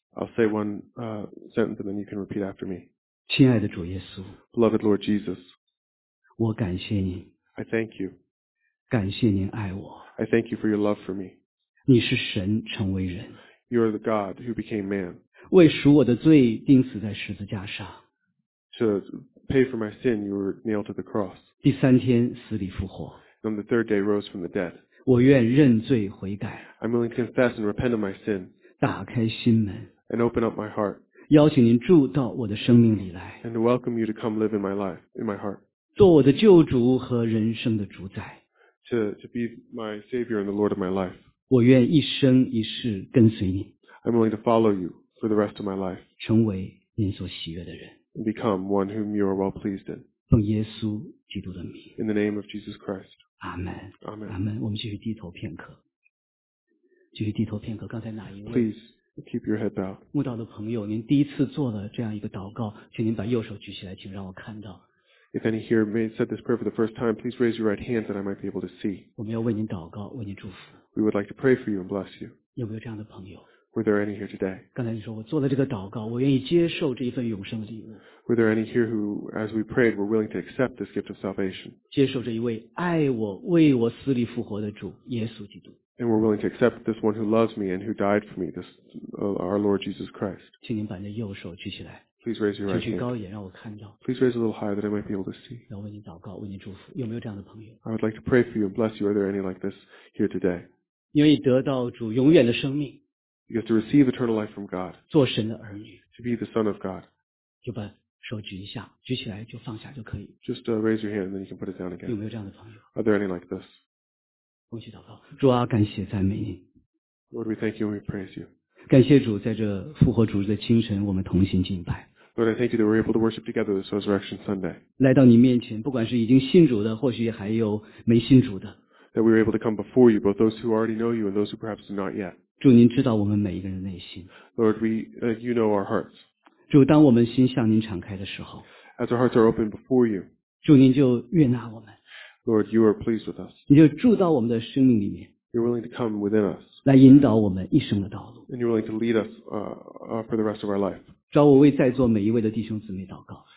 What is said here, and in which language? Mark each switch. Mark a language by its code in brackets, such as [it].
[en] I'll say one sentence, and then you can repeat after me. [zh] 亲爱的主耶稣。 [en] Beloved Lord Jesus. [zh] 我感谢您。 [en] I thank you. [zh] 感谢您爱我。 [en] I thank you for your love for me. [zh] 你是神成为人。 [en] You are the God who became man. [zh] 为赎我的罪钉死在十字架上。 [en] To pay for my sin, you were nailed to the cross. [zh] 第三天死里复活。 [en] On the third day, rose from the dead. [zh] 我愿认罪悔改。 [en] I'm willing to confess and repent of my sin. [zh] 打开心门。 [en] And open up my heart. [zh] 邀请您住到我的生命里来。 [en] And welcome you to come live in my life, in my heart. [zh] 做我的救主和人生的主宰。 [en] To be my savior and the lord of my life. [zh] 我愿一生一世跟随你。 [en] I'm willing to follow you for the rest of my life. [zh] 成为您所喜悦的人。 [en] And become one whom you are well pleased in. [zh] 奉耶稣基督的名。 [en] In the name of Jesus Christ. [zh] 阿门，阿门，阿门。我们继续低头片刻，刚才哪一位？ [en] Please, Keep your head bowed. [zh] 慕道的朋友，您第一次做了这样一个祷告，请您把右手举起来，请让我看到。 [en] If any here may said this prayer for the first time, please raise your right hand that I might be able to see. [zh] 我们要为您祷告，为您祝福。 [en] We would like to pray for you and bless you. [zh] 有没有这样的朋友？ [en] Were there any here today? [zh] 刚才你说我做了这个祷告，我愿意接受这一份永生的礼物。 [en] Were there any here who, as we prayed, were willing to accept this gift of salvation? [zh] 接受这一位爱我、为我死里复活的主耶稣基督。 [en] And were willing to accept this one who loves me and who died for me, this our Lord Jesus Christ. [zh] 请您把您右手举起来。 [en] Please raise your right hand. [zh] 举高一点，让我看到。 [en] Please raise a little higher that I might be able to see. [zh] 要为您祷告，为您祝福。有没有这样的朋友 [en] ？I would like to pray for you and bless you. Are there any like this here today? [zh] 愿意得到主永远的生命。 [en] You have to receive eternal life from God. [zh] 做神的儿女。 [en] To be the son of God. [zh] 就把手举一下，举起来就放下就可以。 [en] Just raise your hand, and then you can put it down again. [zh] 有没有这样的朋友 [en] ？Are there any like this? [zh] 恭喜祷告，主啊，感谢赞美你。 [en] Lord, we thank you and we praise you. [zh] 感谢主，在这复活主日的清晨，我们同心敬拜。 [en] Lord, I thank you that we're able to worship together this Resurrection Sunday. [zh] 来到你面前，不管是已经信主的，或许还有没信主的。 [en] That we're able to come before you, both those who already know you and those who perhaps do not yet. [zh] 主，您知道我们每一个人的内心。 [en] Lord, we, you know our hearts. [zh] 主，当我们心向您敞开的时候。 [en] As our hearts are open before you. [zh] 主，您就悦纳我们。 [en] Lord, you are pleased with us. [zh] 你就住到我们的生命里面。 [en] You're willing to come within us. [zh] 来引导我们一生的道路。 [en] And you're willing to lead us, for the rest of our life. [zh] 主要我为在座每一位的弟兄姊妹祷告